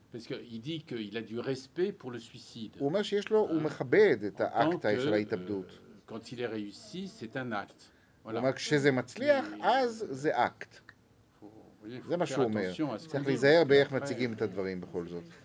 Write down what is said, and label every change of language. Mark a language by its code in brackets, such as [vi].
[fr] Parce qu'il dit qu'il a du respect pour le suicide. [he] הוא אומר שיש לו, הוא מכבד את האקטה של ההתאבדות. [fr] Quand il est réussi, c'est un acte. [he] הוא אומר כשזה מצליח, אז זה אקט. זה מה שהוא אומר. צריך להיזהר באיך מציגים את הדברים בכל זאת.